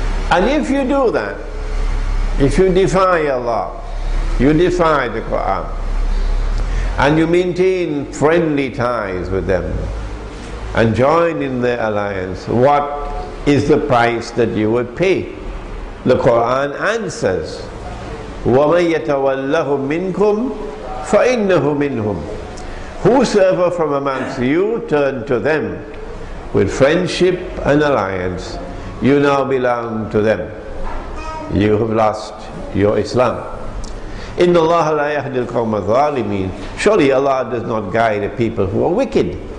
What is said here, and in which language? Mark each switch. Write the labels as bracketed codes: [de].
[en] And if you do that, if you defy Allah, you defy the Quran, and you maintain friendly ties with them and join in their alliance, what is the price that you would pay? The Quran answers, [ar] وَمَنْ يَتَوَلَّهُمْ مِنْكُمْ فَإِنَّهُ مِنْهُمْ. [en] Whosoever from amongst you turn to them with friendship and alliance, you now belong to them. You have lost your Islam. [ar] إِنَّ اللَّهَ لَا يَهْدِي الْقَوْمَ الظَّالِمِينَ. [en] Surely Allah does not guide a people who are wicked.